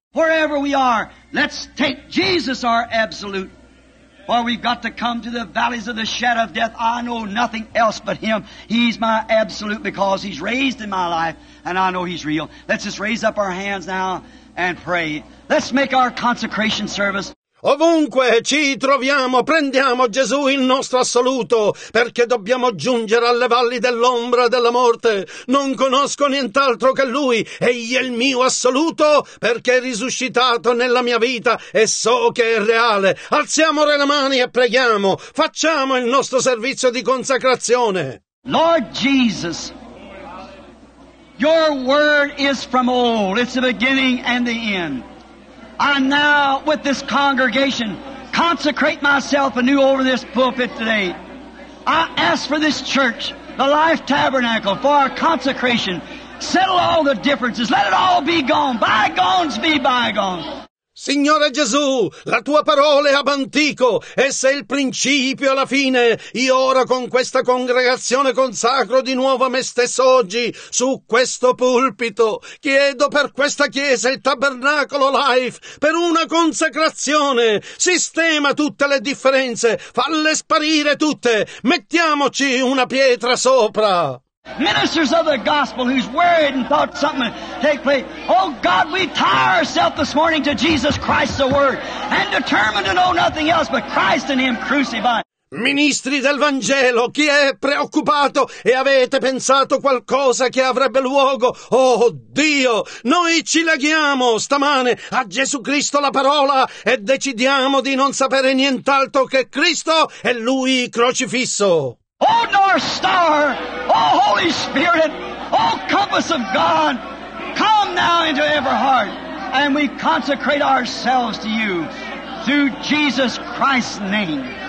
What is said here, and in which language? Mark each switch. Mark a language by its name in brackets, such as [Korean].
[English] Wherever we are, let's take Jesus our absolute. Or we've got to come to the valleys of the shadow of death. I know nothing else but him. He's my absolute because he's raised in my life and I know he's real. Let's just raise up our hands now and pray. Let's make our consecration service. [Italian] Ovunque ci troviamo, prendiamo Gesù il nostro assoluto, perché dobbiamo giungere alle valli dell'ombra della morte. Non conosco nient'altro che Lui, Egli è il mio assoluto, perché è risuscitato nella mia vita e so che è reale. Alziamo le mani e preghiamo, facciamo il nostro servizio di consacrazione. [English] Lord Jesus, Your word is from old, it's the beginning and the end. I now, with this congregation, consecrate myself anew over this pulpit today. I ask for this church, the Life Tabernacle, for our consecration. Settle all the differences. Let it all be gone. Bygones be bygones. [Italian] Signore Gesù, la tua parola è ab antico, essa è il principio e la fine. Io ora con questa congregazione consacro di nuovo me stesso oggi su questo pulpito. Chiedo per questa chiesa il tabernacolo Life per una consacrazione. Sistema tutte le differenze, falle sparire tutte. Mettiamoci una pietra sopra. [English] Ministers of the gospel who's worried and thought something would take place. Oh God, we tie ourselves this morning to Jesus Christ the Word and determined to know nothing else but Christ and Him crucified. [Italian] Ministri del Vangelo, chi è preoccupato e avete pensato qualcosa che avrebbe luogo? Oh Dio, noi ci leghiamo stamane a Gesù Cristo la parola e decidiamo di non sapere nient'altro che Cristo e Lui crocifisso. [English] O North Star, O Holy Spirit, O compass of God, come now into every heart, and we consecrate ourselves to you through Jesus Christ's name.